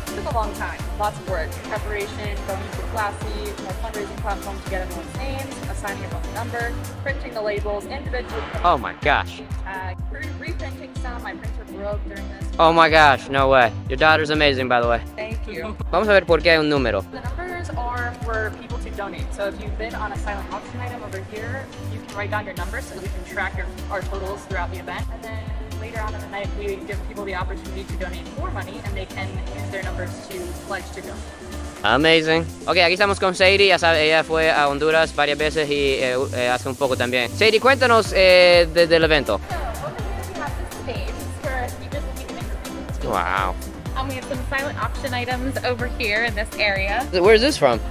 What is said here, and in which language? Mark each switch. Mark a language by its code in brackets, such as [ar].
[en] It took a long time, lots of work, preparation, going to Classy, my fundraising platform to get everyone's names, assigning everyone's number, printing the labels, individual. Oh my gosh. Reprinting some, my printer broke during this. Oh my gosh, no way. Your daughter's amazing, by the way. Thank you. [es] Vamos a ver por qué hay un número. [en] The numbers are for people to donate. So if you've been on a silent auction item over here, you can write down your number so that we can track our totals throughout the event. And then later on in the night, we give people the opportunity to donate more money, and they can use their numbers to pledge to donate. Amazing. [es] Ok, aquí estamos con Sadie. Ya sabe, ella fue a Honduras varias veces y hace un poco también. Sadie, cuéntanos del evento. [en] So, over here we have this stage. Wow. We have some silent auction items over here in this area. Where is this from?